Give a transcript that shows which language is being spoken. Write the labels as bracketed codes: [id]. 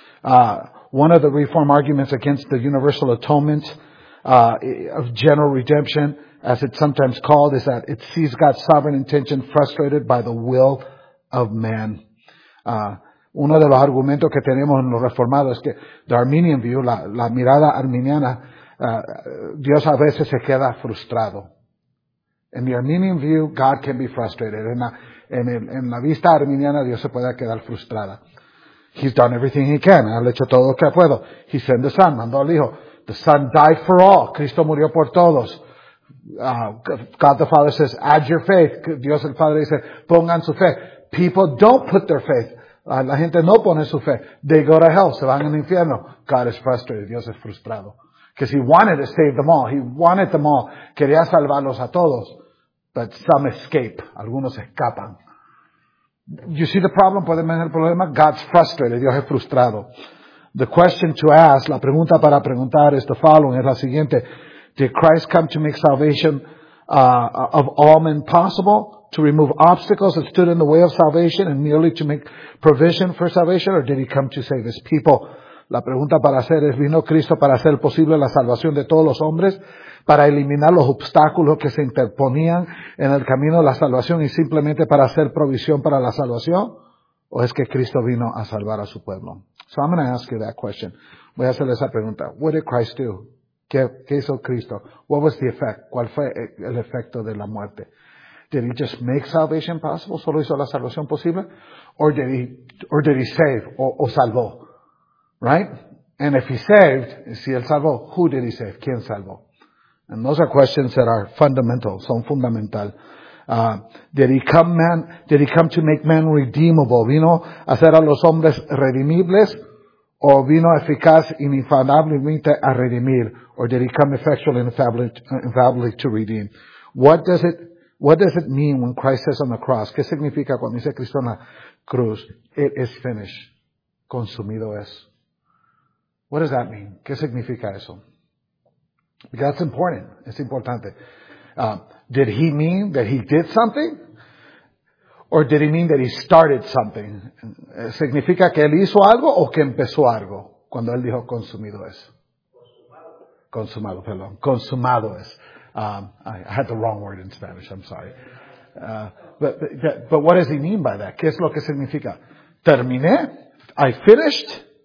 [en] One of the reform arguments against the universal atonement of general redemption, as it's sometimes called, is that it sees God's sovereign intention frustrated by the will of man. [es] Uno de los argumentos que tenemos en los reformados es que [en] the Arminian view, [es] la mirada arminiana, Dios a veces se queda frustrado. [en] In the Arminian view, God can be frustrated. [es] En la vista arminiana, Dios se puede quedar frustrada. [en] He's done everything he can. [es] Ha hecho todo lo que puedo. [en] He sent the Son, [es] mandó al Hijo. [en] The Son died for all. [es] Cristo murió por todos. [en] God the Father says, add your faith. [es] Dios el Padre dice, pongan su fe. [en] People don't put their faith. [es] La gente no pone su fe. [en] They go to hell. [es] Se van al infierno. [en] God is frustrated. [es] Dios es frustrado. [en] Because he wanted to save them all. He wanted them all. [es] Quería salvarlos a todos. [en] But some escape. [es] Algunos escapan. [en] You see the problem? [es] ¿Pueden ver el problema? [en] God's frustrated. [es] Dios es frustrado. [en] The question to ask, [es] la pregunta para preguntar es [en] the following, [es] es la siguiente. [en] Did Christ come to make salvation of all men possible, to remove obstacles that stood in the way of salvation and merely to make provision for salvation, or did he come to save his people? [es] La pregunta para hacer es, ¿vino Cristo para hacer posible la salvación de todos los hombres, para eliminar los obstáculos que se interponían en el camino de la salvación y simplemente para hacer provisión para la salvación? ¿O es que Cristo vino a salvar a su pueblo? [en] So I'm going to ask you that question. [es] Voy a hacerle esa pregunta. [en] What did Christ do? [es] ¿Qué hizo Cristo? [en] What was the effect? [es] ¿Cuál fue el efecto de la muerte? [en] Did he just make salvation possible? [es] ¿Solo hizo la salvación posible? [en] Or did he save? [es] ¿O salvó? [en] Right? And if he saved, [es] si él salvó, [en] who did he save? [es] ¿Quién salvó? [en] And those are questions that are fundamental, [es] son fundamental. [en] Did he come to make man redeemable? [es] ¿Vino a hacer a los hombres redimibles? ¿O vino eficaz y infaliblemente a redimir? [en] ¿Or did he come effectually and infallibly to redeem? What does it mean when Christ says on the cross? [es] ¿Qué significa cuando dice Cristo en la cruz? [en] It is finished. [es] Consumido es. [en] What does that mean? [es] ¿Qué significa eso? [en] Because that's important. [es] Es importante. [en] Did he mean that he did something? Or did he mean that he started something? [es] ¿Significa que él hizo algo o que empezó algo? Cuando él dijo consumido es. Consumado es. [en] I had the wrong word in Spanish. I'm sorry. But what does he mean by that? [es] ¿Qué es lo que significa? ¿Terminé? [en] ¿I finished?